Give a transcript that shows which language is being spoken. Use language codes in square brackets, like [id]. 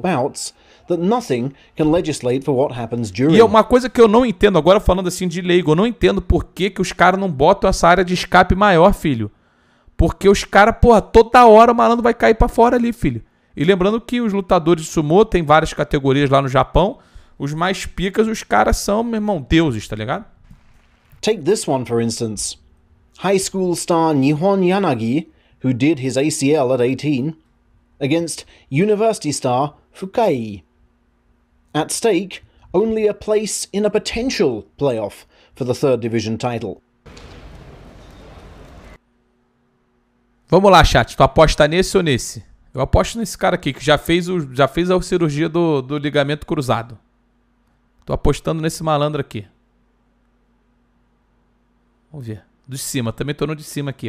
[en] Bouts that nothing can legislate for what happens [pt] E é [en] during. [pt] uma coisa que eu não entendo agora falando assim de leigo, eu não entendo por que que os caras não botam essa área de escape maior, filho. Porque os caras, porra, toda hora o malandro vai cair para fora ali, filho. E lembrando que os lutadores de sumô tem várias categorias lá no Japão, os mais picas, os caras são, meu irmão, deuses, tá ligado? [en] Take this one, for instance. High school star Nihon Yanagi, who did his ACL at 18, against university star Fukai. At stake, only a place in a potential playoff for the third division title. [pt] Vamos lá, chat. Tu aposta nesse ou nesse? Eu aposto nesse cara aqui que já fez a cirurgia do ligamento cruzado. Tô apostando nesse malandro aqui. Vamos ver. Do de cima, também tô no de cima aqui.